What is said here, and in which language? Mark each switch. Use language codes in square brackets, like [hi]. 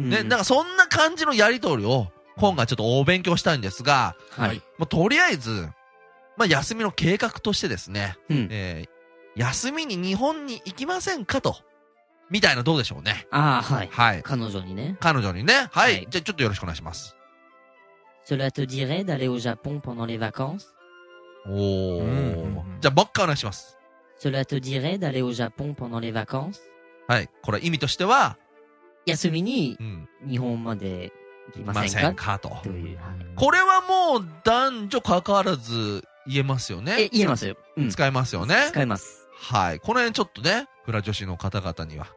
[ja] ん、で、なんかそんな感じのやり取りを今回ちょっとお勉強したいんですが、はい、まあ、とりあえず、まあ、休みの計画としてですね、うん、休みに日本に行きませんかと、みたいな、どうでしょうね。あ、はい、はい、彼女にね、彼女にね、はい、はい、じゃあちょっとよろしくお願いします。 [fr] Cela te dirait d'aller au Japon pendant les vacances? [ja] Oh, じゃあ僕からお願いします。 [fr] Cela te dirait d'aller au Japon pendant les vacances? [ja] はい、これ意味としては、休みに日本まで行きませんか？ませんかと。という、はい、これはもう男女関わらず言えますよね。え、言えますよ。うん、使えますよね。使えます。はい、この辺ちょっとね、フラ女子の方々には、